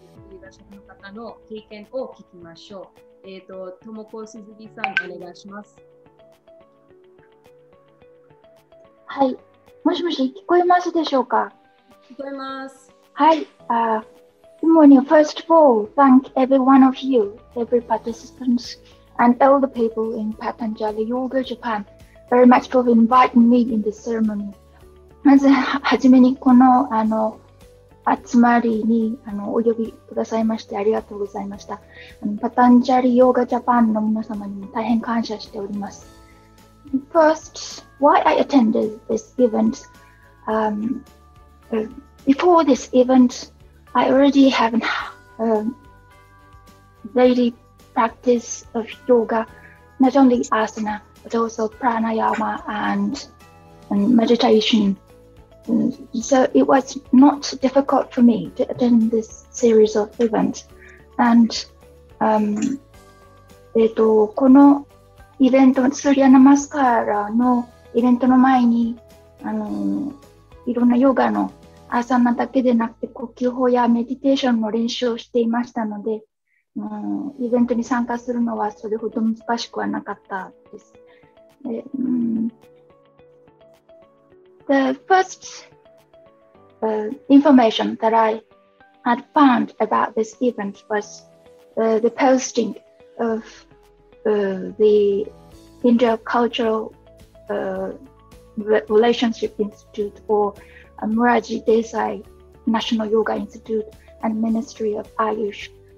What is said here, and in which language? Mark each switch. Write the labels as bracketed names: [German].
[Japanese] いらっしゃる方の経験を聞きましょう。 Tomoko Suzuki さん、お願いします。はい。もしもし、聞こえますでしょうか？聞こえます。 [English] はい。Good morning. First of all, thank every one of you, every participants, and all the people in Patanjali Yoga Japan very much for inviting me in this ceremony. [Japanese] まずはじめにこの、集まりにお呼びくださいましてありがとうございました。 Patanjali Yoga Japan の皆様にも大変感謝しております。 [English] First, why I attended this event? Before this event,I already have a daily practice of yoga, not only asana, but also pranayama and meditation. So it was not difficult for me to attend this series of events. [Japanese] And, このイベント、スーリアナマスカラのイベントの前に、いろんなヨガの朝だけでなくて呼吸法やメディテーションの練習をしていましたので、イベントに参加するのはそれほど難しくはなかったです。 [English] The first information that I had found about this event was the posting of the Intercultural Relationship Institute orMuraji Desai National Yoga Institute and Ministry of Ayush.